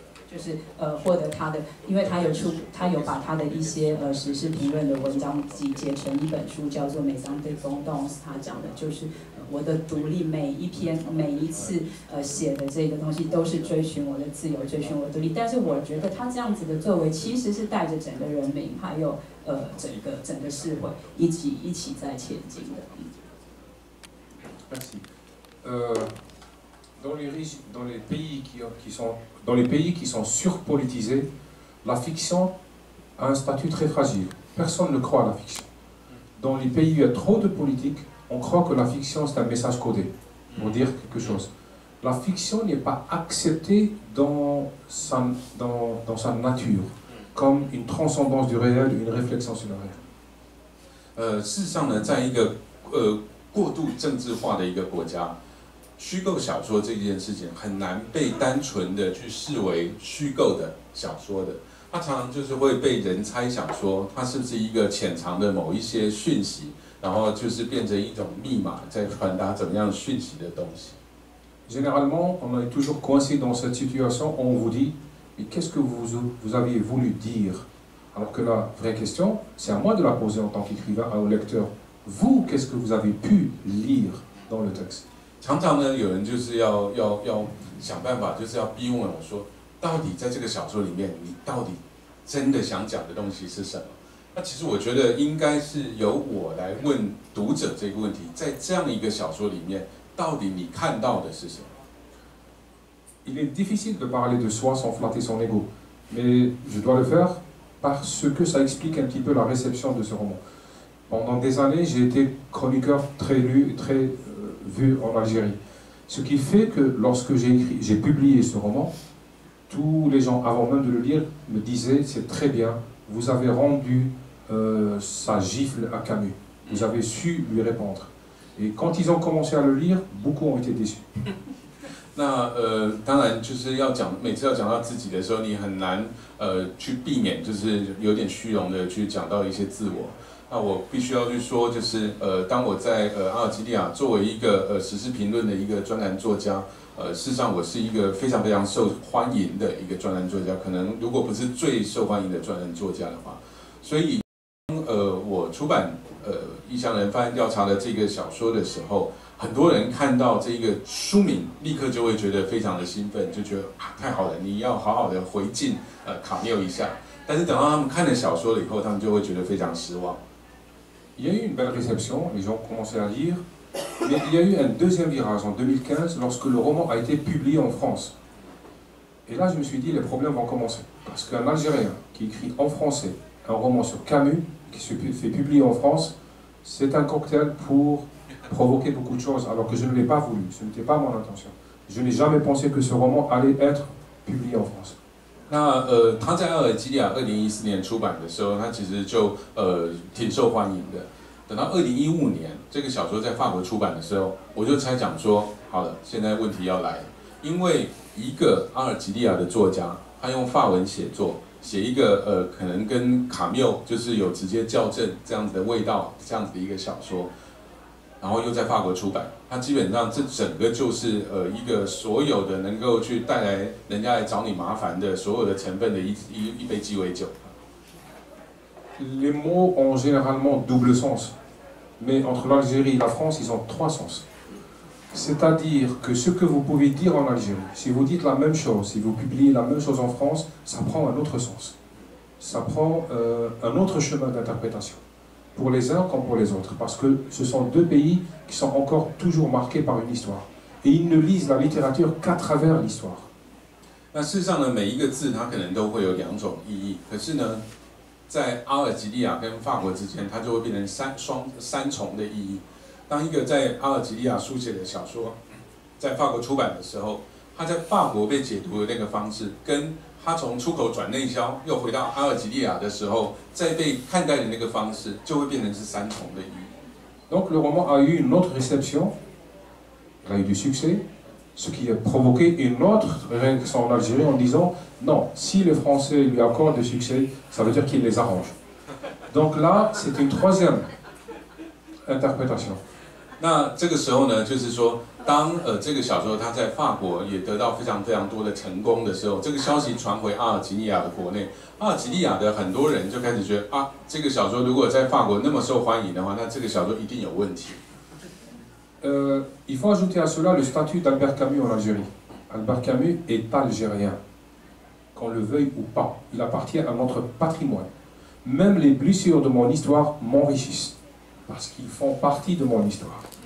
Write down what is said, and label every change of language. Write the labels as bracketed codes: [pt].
[zh] 就是获得他的，因为他有把他的一些时事评论的文章集结成一本书，叫做《每当对风动》，他讲的就是我的独立，每一篇每一次写的这个东西都是追寻我的自由，追寻我的独立。但是我觉得他这样子的作为其实是带着整个人民还有整个社会一起在前进的。 [fr] Merci. Dans les riches, dans les pays qui sont surpolitisés, la fiction a un statut très fragile. Personne ne croit à la fiction. Dans les pays où il y a trop de politique, on croit que la fiction c'est un message codé pour dire quelque chose. La fiction n'est pas acceptée dans sa nature comme une transcendance du réel, une réflexion sur le réel. [zh] 事实上呢，在一个过度政治化的一个国家，虚构小说这件事情很难被单纯的去视为虚构的小说的，它常常就是会被人猜想说它是不是一个潜藏的某一些讯息，然后就是变成一种密码在传达怎么样讯息的东西。 [fr] Généralement, on est toujours coincé dans cette situation, on vous dit mais qu'est-ce que vous aviez voulu dire? Alors que la vraie question, c'est à moi de la poser en tant qu'écrivain au lecteur, vous, qu'est-ce que vous avez pu lire dans le texte? [zh] 常常呢，有人就是要想办法，就是要逼问我说，到底在这个小说里面，你到底真的想讲的东西是什么？那其实我觉得应该是由我来问读者这个问题，在这样一个小说里面，到底你看到的是什么 [fr] ？Il est difficile de parler de soi sans flatter son ego, mais je dois le faire parce que ça explique un petit peu la réception de ce roman. Pendant des années, j'ai été chroniqueur très lu, très vu en Algérie. Ce qui fait que lorsque j'ai publié ce roman, tous les gens, avant même de le lire, me disaient « c'est très bien, vous avez rendu sa gifle à Camus, vous avez su lui répondre. » Et quand ils ont commencé à le lire, beaucoup ont été déçus. [zh] 那当然就是要讲，每次要讲到自己的时候，你很难去避免，就是有点虚荣的去讲到一些自我。那我必须要去说，就是当我在阿尔及利亚作为一个时事评论的一个专栏作家，事实上我是一个非常非常受欢迎的一个专栏作家，可能如果不是最受欢迎的专栏作家的话，所以我出版异乡人翻案调查的这个小说的时候，很多人看到这个书名，立刻就会觉得非常的兴奋，就觉得啊太好了，你要好好的回敬卡缪一下。但是等到他们看了小说了以后，他们就会觉得非常失望。 [fr] Il y a eu une belle réception, les gens ont commencé à lire, mais il y a eu un deuxième virage en 2015 lorsque le roman a été publié en France. Et là, je me suis dit, les problèmes vont commencer. Parce qu'un Algérien qui écrit en français un roman sur Camus, qui se fait publier en France, c'est un cocktail pour provoquer beaucoup de choses, alors que je ne l'ai pas voulu, ce n'était pas mon intention. Je n'ai jamais pensé que ce roman allait être publié en France. [zh] 那他在阿尔及利亚2014年出版的时候，他其实就挺受欢迎的。等到2015年，这个小说在法国出版的时候，我就猜想说，好了，现在问题要来了，因为一个阿尔及利亚的作家，他用法文写作，写一个可能跟卡缪就是有直接校正这样子的味道，这样子的一个小说，然后又在法国出版，他基本上这整个就是一个所有的能够去带来人家来找你麻烦的所有的成分的一杯鸡尾酒。 [fr] Les mots ont généralement double sens, mais entre l'Algérie et la France, ils ont trois sens. C'est-à-dire que ce que vous pouvez dire en Algérie, si vous dites la même chose, si vous publiez la même chose en France, ça prend un autre sens. Ça prend un autre chemin d'interprétation, pour les uns comme pour les autres, parce que ce sont deux pays qui sont encore toujours marqués par une histoire. Et ils ne lisent la littérature qu'à travers l'histoire. [zh] 那事实上呢，每一个字它可能都会有两种意义，可是呢在阿尔及利亚跟法国之间，它就会变成三重的意义。当一个在阿尔及利亚书写的小说在法国出版的时候，他在法国被解读的那个方式，跟他从出口转内销又回到阿尔及利亚的时候再被看待的那个方式，就会变成是三重的意义。 [fr] Donc le roman a eu une autre réception, il a eu du succès, ce qui a provoqué une autre réaction en Algérie en disant non, si les Français lui accordent du succès, ça veut dire qu'il les arrange. Donc là, c'est une troisième interprétation. [zh] 那这个时候呢，就是说，当这个小说他在法国也得到非常非常多的成功的时候，这个消息传回阿尔及利亚的国内，阿尔及利亚的很多人就开始觉得啊，这个小说如果在法国那么受欢迎的话，那这个小说一定有问题。 [fr] Il faut ajouter à cela le statut d'Albert Camus en Algérie. Albert Camus est algérien, qu'on le veuille ou pas. Il appartient à notre patrimoine. Même les blessures de mon histoire m'enrichissent, parce qu'ils font partie de mon histoire.